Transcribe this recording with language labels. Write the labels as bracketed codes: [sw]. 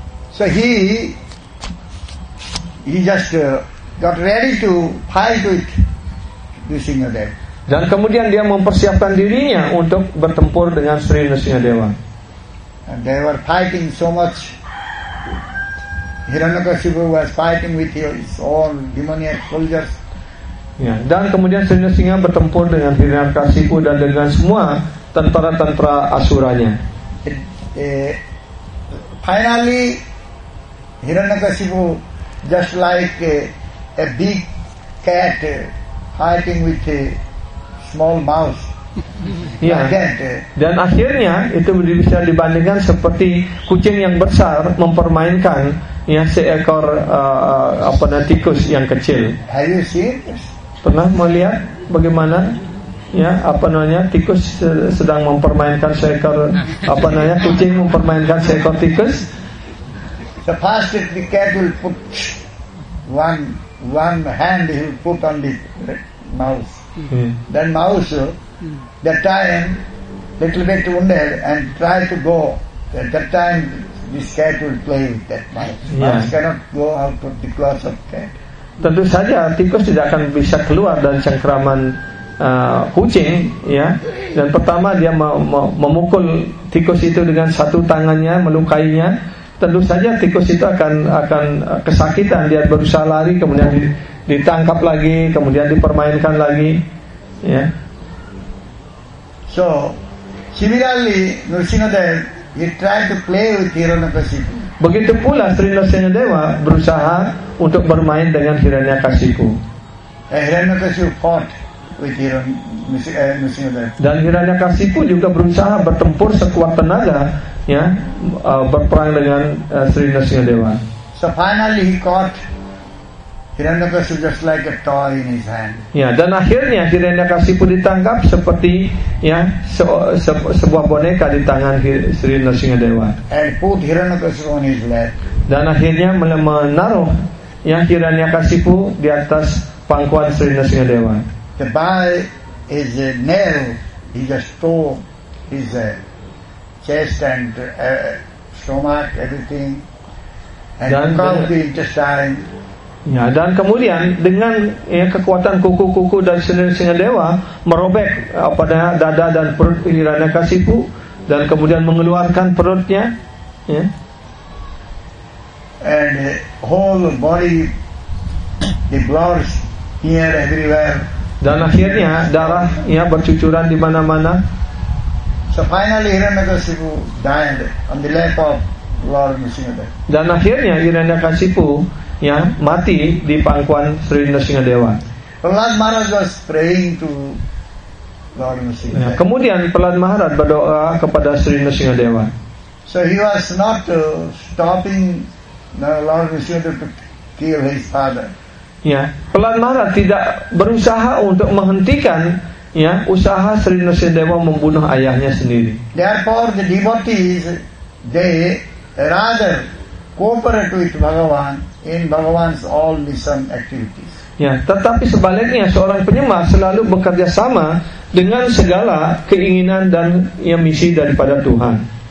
[en] So he just got ready to fight with the Nrisimha Dev. [id] Dan kemudian dia mempersiapkan dirinya untuk bertempur dengan Sri Nrisimha Dewa. [en] And they were fighting so much. Hiranyakashipu was fighting with his own demoniac soldiers. Ya, dan kemudian Sri Nrisimha bertempur dengan Hiranyakashipu dan dengan semua tentara-tentara asuranya. Finally Hiranyakashipu just like a big cat fighting with small mouse. [id] Ya. Dan akhirnya itu bisa dibandingkan seperti kucing yang besar mempermainkan ya seekor tikus yang kecil. [en] Have you seen? [id] Pernah melihat bagaimana ya tikus sedang mempermainkan seekor kucing mempermainkan seekor tikus? [en] The pastor, the cat will put one hand he will put on the mouse. Hmm. Then mouse that time little bit under and try to go. That time this cat will play with that mouse. Yeah. Mouse cannot go out of the claws of cat. [id] Tentu saja tikus tidak akan bisa keluar dari cengkraman kucing, ya. Dan pertama dia memukul tikus itu dengan satu tangannya, melukainya. Tentu saja tikus itu akan kesakitan. Dia berusaha lari, kemudian ditangkap lagi, kemudian dipermainkan lagi, ya. [en] Yeah. So, similarly, Nrsimhadev, he tried to play with Hiranyakasipu. [id] Begitu pula Sri Nrsimhadeva berusaha untuk bermain dengan Hiranyakasipu. [en] Hiranyakasipu fought with Nrsimhadev. [id] Dan Hiranyakasipu juga berusaha bertempur sekuat tenaga, ya, berperang dengan Sri Nrsimhadeva. [en] So finally, he caught Hiranyakasipu just like a toy in his hand. [id] Ya, dan akhirnya Hiranyakasipu ditangkap seperti ya sebuah boneka di tangan Sri Nrsimhadeva. [en] And put Hiranyakasipu on his lap. [id] Dan akhirnya menaruh yang Hiranyakasipu di atas pangkuan Sri Nrsimhadeva. [en] The boy is a nail. He just tore his chest and stomach, everything, and crawled the intestine. [id] Ya, dan kemudian dengan ya, kekuatan kuku-kuku dari Hiranyakasipu merobek dada dan perut Hiranyakasipu dan kemudian mengeluarkan perutnya, ya. [en] And whole body the blood here everywhere. [id] Dan akhirnya darah ya bercucuran di mana-mana. [en] So finally Hiranyakasipu died on the lap of Lord Nrsimhadeva. [id] Dan akhirnya Hiranyakasipu ya mati di pangkuan Sri Nrsimhadeva. [en] Prahlad Maharaj was praying to Lord Nrsimhadeva. [id] Ya, kemudian Prahlad Maharaj berdoa kepada Sri Nrsimhadeva. [en] So he was not stopping Lord Nrsimhadeva to kill his father. [id] Ya, Prahlad Maharaj tidak berusaha untuk menghentikan ya usaha Sri Nrsimhadeva membunuh ayahnya sendiri. [en] Therefore the devotees they rather cooperate with Bhagavan in Bhagavan's all mission activities. [id] Ya, tetapi sebaliknya seorang penyembah selalu bekerja sama dengan segala keinginan dan ya, misi daripada Tuhan.